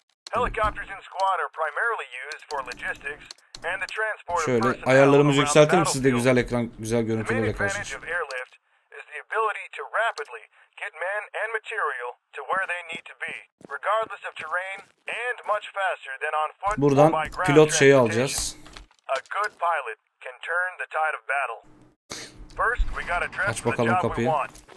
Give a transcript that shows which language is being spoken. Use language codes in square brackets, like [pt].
[en] Helicopters in squad are primarily used for logistics and the transport. [tr] Şöyle ayarlarımızı yükseltelim, siz de güzel ekran, güzel görüntülerle karşılaşırsınız. [en] The ability to rapidly get men and material to where they need to be regardless of terrain and much faster than on foot. [tr] Buradan pilot şeyi alacağız. [en] A good pilot can turn the tide of battle. First we got to dress the job we want.